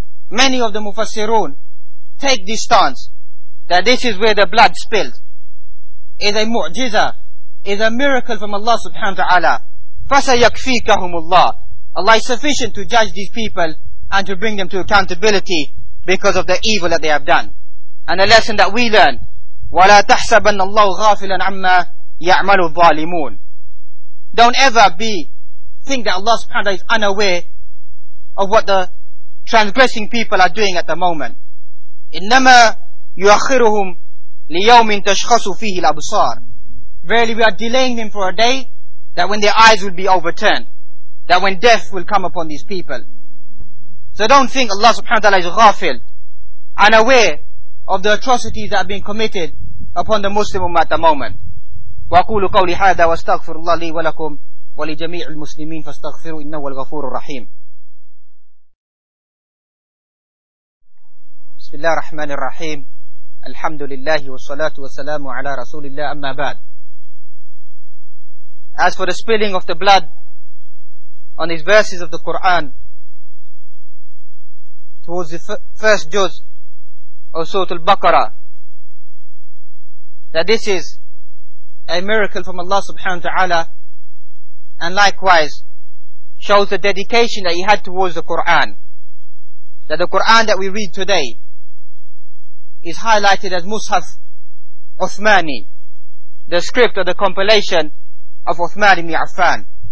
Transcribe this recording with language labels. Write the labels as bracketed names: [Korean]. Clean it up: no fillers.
[English] Many of the Mufassirun take this stance that this is where the blood spilled. It's a mu'jiza, is a miracle from Allah subhanahu wa ta'ala. [Arabic] فَسَيَكْفِيكَهُمُ اللَّهُ. [English] Allah is sufficient to judge these people and to bring them to accountability because of the evil that they have done. And the lesson that we learn, [Arabic] وَلَا تَحْسَبَنَّ اللَّهُ غَافِلًا عَمَّا يَعْمَلُ الظَّالِمُونَ. [English] Don't ever think that Allah subhanahu wa ta'ala is unaware of what the transgressing people are doing at the moment. [Arabic] إِنَّمَا يُؤَخِّرُهُمْ لِيَوْمٍ تَشْخَصُ فِيهِ الْأَبْصَارِ. [English] Verily we are delaying them for a day that when their eyes will be overturned, that when death will come upon these people. So don't think Allah subhanahu wa ta'ala is ghafil, unaware of the atrocities that are being committed upon the Muslim Ummah at the moment. [Arabic] وأقول قولي هذا واستغفر الله لي ولكم ولجميع المسلمين فاستغفروا إنه الغفور الرحيم. بسم الله الرحمن الرحيم. الحمد لله والصلاة والسلام على رسول الله. أما بعد, [English] as for the spilling of the blood on these verses of the Quran towards the first juz of Surah Al-Baqarah, that this is a miracle from Allah subhanahu wa ta'ala, and likewise shows the dedication that he had towards the Quran, that the Quran that we read today is highlighted as Mushaf Uthmani, the script of the compilation of Uthman ibn Affan.